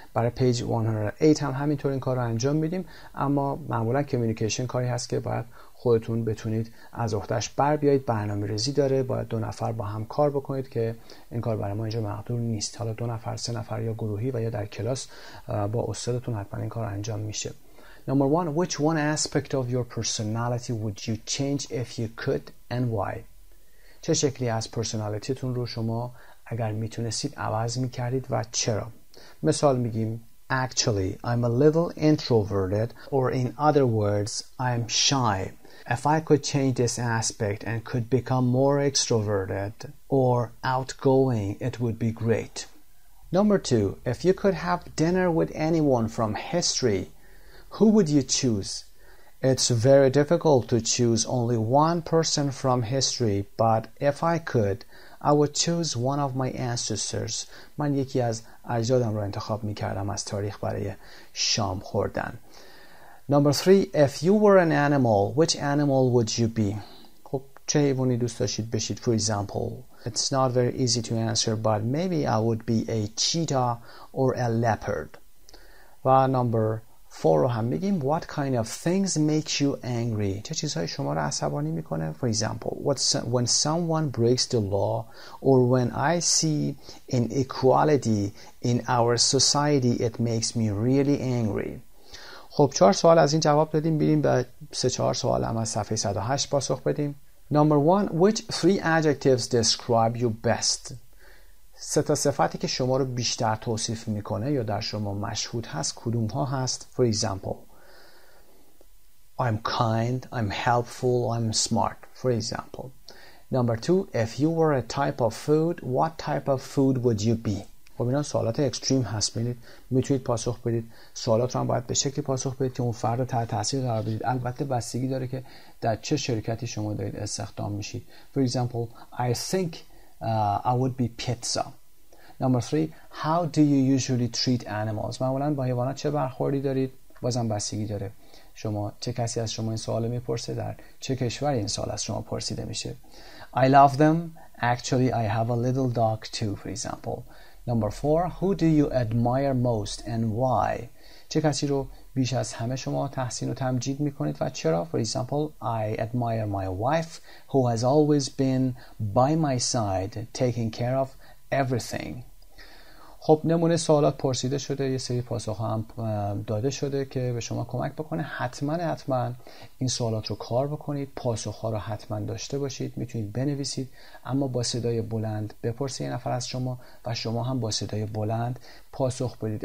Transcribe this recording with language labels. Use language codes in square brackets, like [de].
[fa] برای پیج 108 هم همینطور این کار رو انجام میدیم، اما معمولا کمیونیکیشن کاری هست که باید خودتون بتونید از احتش بر بیایید. برنامه ریزی داره، باید دو نفر با هم کار بکنید که این کار برای ما اینجا مقدور نیست. حالا دو نفر، سه نفر یا گروهی و یا در کلاس با استادتون حتما این کار انجام میشه. [en] Number one, which one aspect of your personality would you change if you could and why? [fa] چه شکلی از پرسنالیتیتون رو شما اگر میتونستید عوض میکردید و چرا؟ مثال میگیم [en] Actually, I'm a little introverted or in other words, I'm shy. If I could change this aspect and could become more extroverted or outgoing, it would be great. Number two, if you could have dinner with anyone from history, who would you choose? It's very difficult to choose only one person from history, but if I could, I would choose one of my ancestors. [fa] من یکی از اجدادم رو انتخاب میکردم از تاریخ برای شام خوردن. [en] Number three, if you were an animal, which animal would you be? [fa] خب چه حیوانی دوست داشتید بشید؟ [en] For example, it's not very easy to answer, but maybe I would be a cheetah or a leopard. و number four [fa] رو هم میگیم [en] What kind of things makes you angry? [fa] چه چیزهای شما رو عصبانی میکنه؟ [en] For example, when someone breaks the law or when I see inequality in our society, it makes me really angry. [fa] خب چهار سوال از این جواب دادیم، بریم به سه چهار سوال هم از صفحه 108 پاسخ بدیم. [en] Number one, which three adjectives describe you best? [fa] سه تا صفتی که شما رو بیشتر توصیف میکنه یا در شما مشهود هست کدوم ها هست؟ [en] For example, I'm kind, I'm helpful, I'm smart. For example. Number two, if you were a type of food, what type of food would you be? [fa] خب اینا سوالات اکستریم هست، ببینید میتونید پاسخ بدید. سوالات رو هم باید به شکلی پاسخ بدید که اون فرد رو تحت تاثیر قرار بدید. البته بستگی داره که در چه شرکتی شما دارید استخدام میشید. [en] For example, I think I would be pizza. Number three, how do you usually treat animals? [fa] معمولا با حیوانات چه برخوردی دارید؟ بازم بستگی داره شما چه کسی از شما این سوال میپرسه، در چه کشوری این سوال از شما پرسیده میشه. [en] I love them. Actually, I have a little dog too, for example. Number four, who do you admire most and why? [fa] چه کسی رو بیش از همه شما تحسین و تمجید میکنید و چرا؟ [en] For example, I admire my wife who has always been by my side taking care of everything. [fa] خب نمونه سوالات پرسیده شده، یه سری پاسخ هم داده شده که به شما کمک بکنه. حتما این سوالات رو کار بکنید، پاسخ ها رو حتما داشته باشید. میتونید بنویسید اما با صدای بلند بپرسید یه نفر از شما و شما هم با صدای بلند پاسخ بدید.